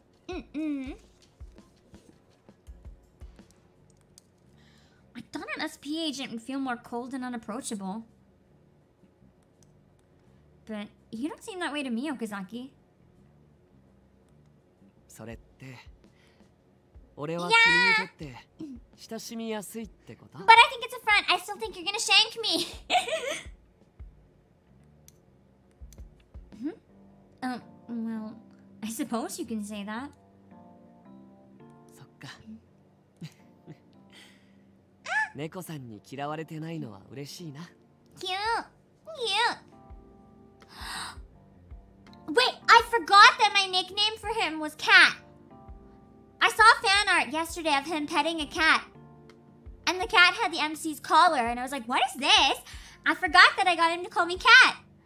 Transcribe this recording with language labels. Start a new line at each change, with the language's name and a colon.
English: I thought an SP agent would feel more cold and unapproachable. But you don't seem that way to me, Okazaki.
Japanese: それって俺は君にとって親しみやすいってこと。
English: But I think it's a front. I still think you're gonna shank me. well, I suppose you can say that.
Japanese: そっか。猫さんに嫌われてないのは嬉しいな。
English: Cute. Cute. Wait, I forgot that my nickname for him was Cat. I saw fan art yesterday of him petting a cat. And the cat had the MC's collar, and I was like, what is this? I forgot that I got him to call me cat.